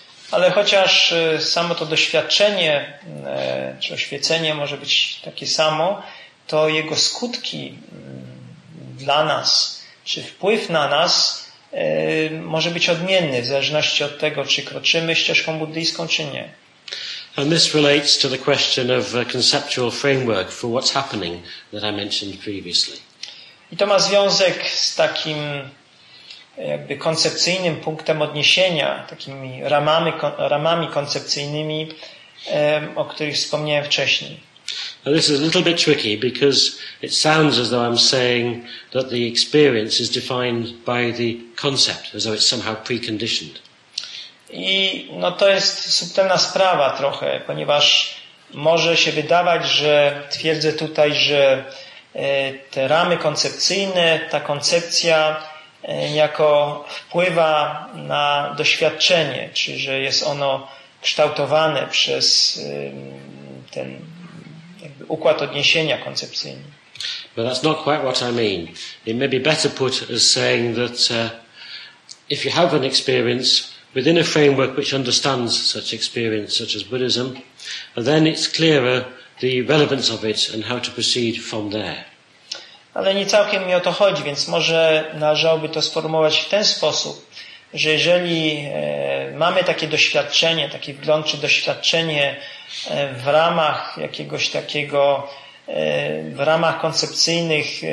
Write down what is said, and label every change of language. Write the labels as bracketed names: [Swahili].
[Polish] Ale chociaż samo to doświadczenie czy oświecenie może być takie samo, to jego skutki dla nas, czy wpływ na nas może być odmienny w zależności od tego, czy kroczymy ścieżką buddyjską, czy nie. [English] And this relates to the question of a conceptual framework for what's happening that I mentioned previously. [Polish] I to ma związek z takim jakby koncepcyjnym punktem odniesienia, takimi ramami koncepcyjnymi, o których wspomniałem wcześniej. [English] Now this is a little bit tricky because it sounds as though I'm saying that the experience is defined by the concept, as though it's somehow preconditioned. [Polish] I no to jest subtelna sprawa trochę, ponieważ może się wydawać, że twierdzę tutaj, że te ramy koncepcyjne, ta koncepcja jako wpływa na doświadczenie, czy że jest ono kształtowane przez ten jakby układ odniesienia koncepcyjny. [English] But that's not quite what I mean. It may be better put as saying that if you have an experience within a framework which understands such experience, such as Buddhism, then it's clearer the relevance of it and how to proceed from there. [Polish] Ale nie całkiem mi o to chodzi, więc może należałoby to sformułować w ten sposób, że jeżeli mamy takie doświadczenie, taki wgląd czy doświadczenie w ramach jakiegoś takiego, w ramach koncepcyjnych,